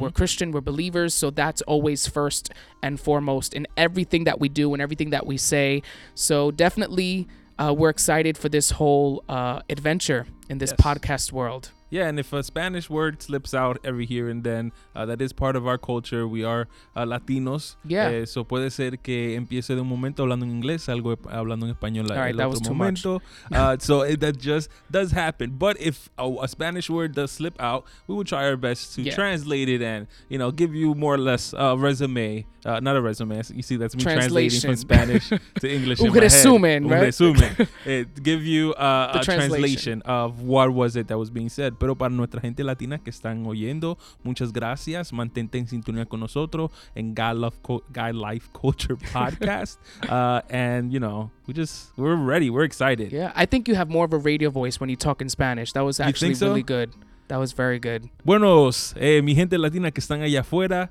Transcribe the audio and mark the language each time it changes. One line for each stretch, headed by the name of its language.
English: we're Christian, we're believers. So that's always first and foremost in everything that we do and everything that we say. So definitely we're excited for this whole adventure in this podcast world. Yeah, and if a Spanish word slips out every here and then, that is part of our culture. We are Latinos. Yeah.
Spanish: So puede ser que empiece de un momento hablando en inglés, algo hablando en español.
English: All right, that was too much. So that just does happen. But if a Spanish word does slip out, we will try our best to translate it and, you know, give you more or less a resume. Not a resume. You see, that's me translating from Spanish to English in my head. Give you a translation of what was it that was being said.
Spanish: Pero para nuestra gente latina que están oyendo, muchas gracias. Mantente en sintonía con nosotros en Guy Life Culture Podcast.
English: And, you know, we're ready. We're excited. Yeah, I think you have more of a radio voice when you talk in Spanish. That was actually really good. That was very good.
Spanish: Buenos, mi gente latina que están allá afuera.